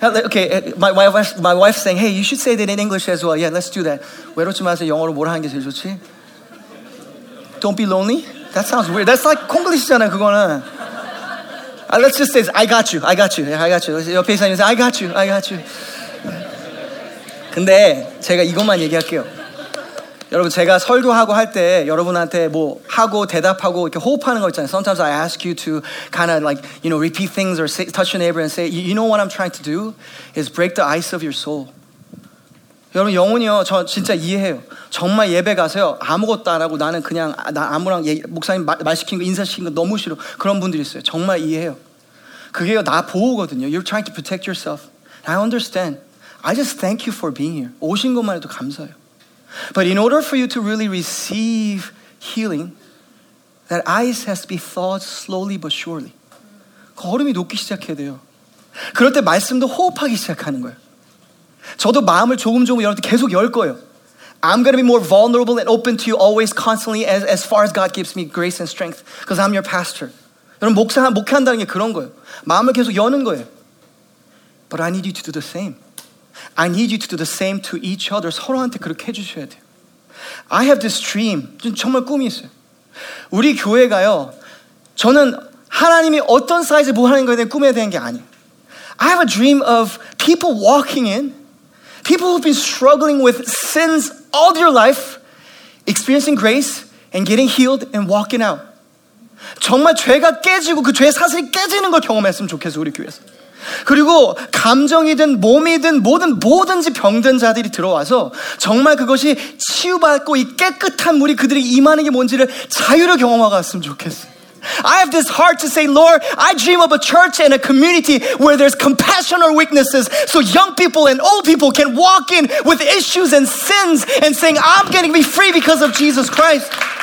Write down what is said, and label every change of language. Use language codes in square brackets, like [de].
[en] Okay, my wife saying, hey, you should say that in English as well. Yeah, let's do that. [ko] 외롭지 마세요. 영어로 뭐라 하는 게 제일 좋지? [en] Don't be lonely? That sounds weird. That's like Konglish [ko] 잖아, 그거는. [en] Let's just say, I got you. [ko] 옆에 있으면 [en] say, I got you. [ko] 근데 제가 이것만 얘기할게요. 여러분 제가 설교하고 할 때 여러분한테 뭐 하고 대답하고 이렇게 호흡하는 거 있잖아요. [en] Sometimes I ask you to kind of like, you know, repeat things or say, touch your neighbor and say, you know what I'm trying to do is break the ice of your soul. [ko] 여러분 영혼이요, 저 진짜 이해해요. 정말 예배 가세요. 아무것도 안 하고 나는 그냥 나 아무랑 목사님 말시킨 거 인사시킨 거 너무 싫어. 그런 분들이 있어요. 정말 이해해요. 그게요, 나 보호거든요. [en] You're trying to protect yourself. I understand. I just thank you for being here. [ko] 오신 것만 해도 감사해요. [en] But in order for you to really receive healing, that ice has to be thawed slowly but surely. [ko] 걸음이 녹기 시작해야 돼요. 그럴 때 말씀도 호흡하기 시작하는 거예요. 저도 마음을 조금 여러분들 계속 열 거예요. [en] I'm going to be more vulnerable and open to you always, constantly, as far as God gives me grace and strength, because I'm your pastor. [ko] 여러분 목회한다는 게 그런 거예요. 마음을 계속 여는 거예요. [en] But I need you to do the same. I need you to do the same to each other. [ko] 서로한테 그렇게 해주셔야 돼요. [en] I have this dream. [ko] 정말 꿈이 있어요. 우리 교회가요. 저는 하나님이 어떤 사이즈 뭐 하는 거에 대한 꿈에 대한 게 아니에요. [en] I have a dream of people walking in, people who've been struggling with sins all their life, experiencing grace and getting healed and walking out. [ko] 정말 죄가 깨지고 그 죄 사슬이 깨지는 걸 경험했으면 좋겠어 우리 교회에서. 그리고 감정이든 몸이든 뭐든지 병든 자들이 들어와서 정말 그것이 치유받고 이 깨끗한 물이 그들이 임하는 게 뭔지를 자유를 경험하고 왔으면 좋겠어. [en] I have this heart to say, Lord, I dream of a church and a community where there's compassion or weaknesses so young people and old people can walk in with issues and sins and saying, I'm going to be free because of Jesus Christ.